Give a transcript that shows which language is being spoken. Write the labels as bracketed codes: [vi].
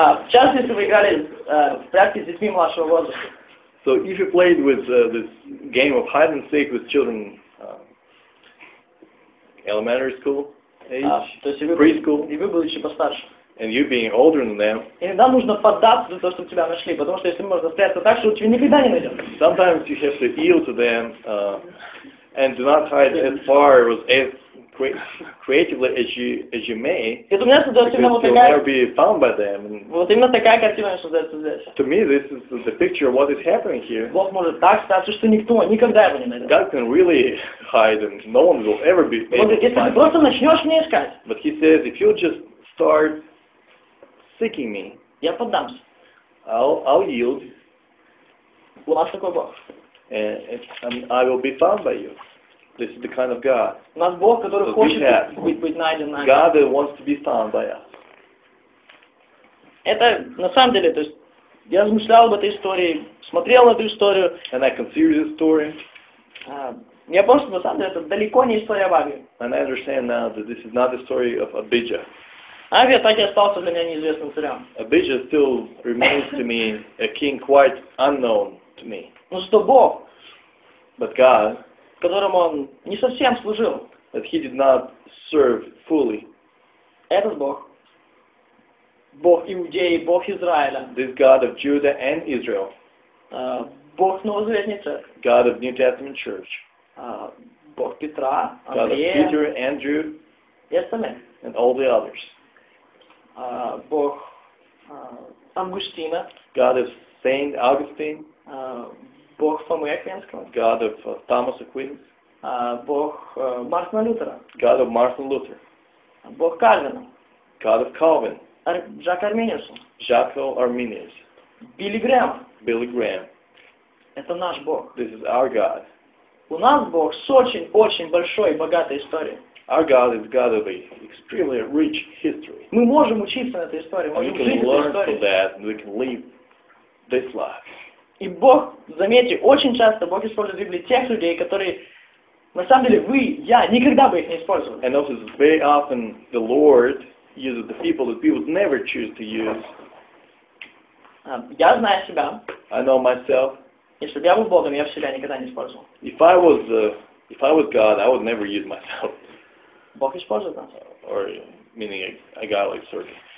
[ru] Часто если вы играли в прятки с детьми младшего возраста. [en] So if you played with this game of hide and seek with children elementary school age, preschool, [ru] и вы были еще постарше. [en] And you being older than them. [ru] Иногда нужно поддаться для того, чтобы тебя нашли, потому что если можно спрятаться так, что тебя никогда не найдут. [en] Sometimes you have to yield to them and do not hide as far or as creatively as you may. [ru] Это у меня создается именно такая. [en] You'll never be found by them. [ru] Вот именно такая картина создается здесь. [en] To me, this is the picture of what is happening here. [ru] Бог может так стать, что никто никогда его не найдет. [en] God can really hide, and no one will ever be able to find. [ru] Если ты просто начнешь меня искать. [en] But he says, if you just start seeking me, [ru] я поддамся. [en] I'll yield. [ru] У нас такой Бог. [en] And I will be found by you. This is the kind of God. [ru] У нас Бог, который хочет быть найден нами. [en] God that wants to be found by us. [ru] Это на самом деле, то есть я размышлял об этой истории, смотрел эту историю. [en] And I consider this story. [ru] Я понял, что на самом деле это далеко не история Абии. [en] And I understand now that this is not the story of Abijah. [ru] Абия так и остался для меня неизвестным царем. [en] Abijah still remains to me a king quite unknown to me. [ru] Но что Бог? [en] But God. [ru] Которому он не совсем служил. [en] That he did not serve fully. [ru] Этот Бог. Бог Иудеи, Бог Израиля. [en] This God of Judah and Israel. [ru] Бог Новозаветной Церкви. [en] God of New Testament Church. [ru] Бог Петра, [en] God [ru] Андрея. [en] God of Peter, Andrew. [ru] И остальные. [en] And all the others. [ru] Бог Августина. [en] God of Saint Augustine. [ru] Бог Фомы Аквинского. [en] God of Thomas Aquinas. [ru] Бог Мартина Лютера. [en] God of Martin Luther. [ru] Бог Кальвина. [en] God of Calvin. [ru] Жак Арминиус. [en] Jaco Arminius. [ru] Билли Грэм. [en] Billy Graham. [ru] Это наш Бог. [en] This is our God. [ru] У нас Бог с очень-очень большой и богатой историей. [en] Our God is God of an extremely rich history. [ru] Мы можем учиться на этой истории, можем жить этой историей. [en] We can learn from that, and we can live this life. [ru] И Бог, заметьте, очень часто Бог использует в Библии тех людей, которые, на самом деле, вы, я, никогда бы их не использовал. [en] And also, very often, the Lord uses the people that people never choose to use. [ru] Я знаю себя. [en] I know myself. [ru] Если бы я был Богом, я бы себя никогда не использовал. [en] If I was God, I would never use myself. [ru] Бог использует нас. [en] Or, meaning a guy like Sergey.